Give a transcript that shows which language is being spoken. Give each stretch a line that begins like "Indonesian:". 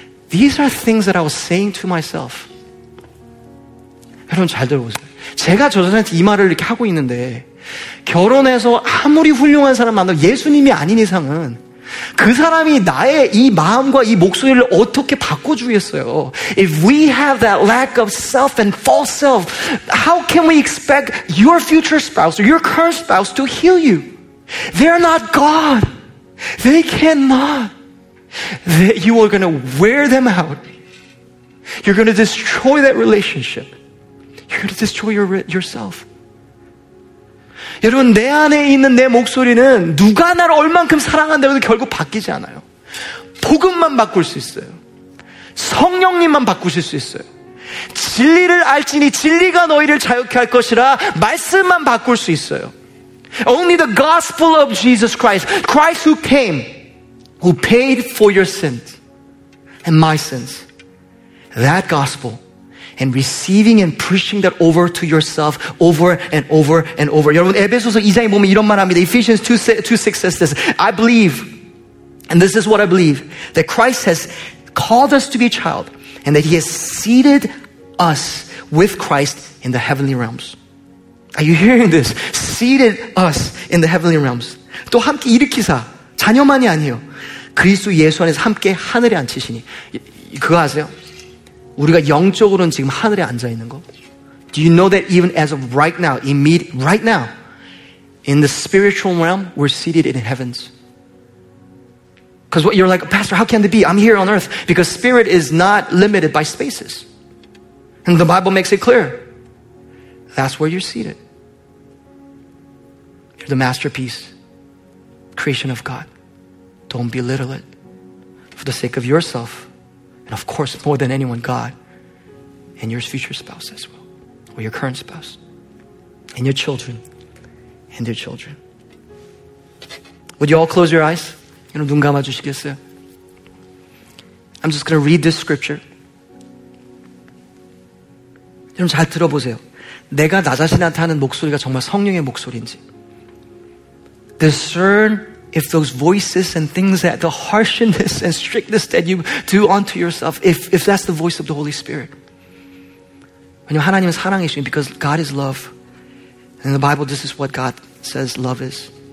English: These are things that I was saying to myself.
Korean: 여러분 잘 들어보세요. 제가 저 사람한테 이 말을 이렇게 하고 있는데 결혼해서 아무리 훌륭한 사람 만나도 예수님이 아닌 이상은 그 사람이 나의 이 마음과 이 목소리를 어떻게 바꿔주겠어요?
English: If we have that lack of self and false self, how can we expect your future spouse or your current spouse to heal you? They're not God. They cannot. You are going to wear them out. You're going to destroy that relationship. You're going to destroy yourself.
Korean: 여러분 내 안에 있는 내 목소리는 누가 날 얼만큼 사랑한다고 해도 결국 바뀌지 않아요. 복음만 바꿀 수 있어요. 성령님만 바꾸실 수 있어요. 진리를 알지니 진리가 너희를 자유케 할 것이라 말씀만 바꿀 수 있어요.
English: Only the gospel of Jesus Christ, Christ who came, who paid for your sins and my sins, that gospel, and receiving and preaching that over to yourself over and over and over.
Korean: 여러분 에베소서 2장에 보면 이런 말 합니다.
English: Ephesians 2:6 says this. I believe, and this is what I believe, that Christ has called us to be a child and that he has seated us with Christ in the heavenly realms. Are you hearing this? Seated us in the heavenly realms.
Korean: 또 함께 일으키사. 자녀만이 아니요. 그리스도 예수 안에서 함께 하늘에 앉히시니. 그거 아세요? 우리가 영적으로는 지금 하늘에 앉아 있는 거.
English: Do you know that even as of right now, immediate, right now, in the spiritual realm, we're seated in heavens? Because what you're like, Pastor, how can that be? I'm here on earth. Because spirit is not limited by spaces. And the Bible makes it clear. That's where you're seated. You're the masterpiece, creation of God. Don't belittle it for the sake of yourself. And of course, more than anyone, God, and your future spouse as well, or your current spouse, and your children, and their children. Would you all close your eyes?
Korean: 여러분 눈 감아주시겠어요?
English: I'm just going to read this scripture.
Korean: 여러분 잘 들어보세요. 내가 나 자신한테 하는 목소리가 정말 성령의 목소리인지.
English: Discern if those voices and things that the harshness and strictness that you do unto yourself, if that's the voice of the Holy Spirit.
Korean: 왜냐면 하나님은 사랑이시니,
English: because God is love. And in the Bible, this is what God says love is.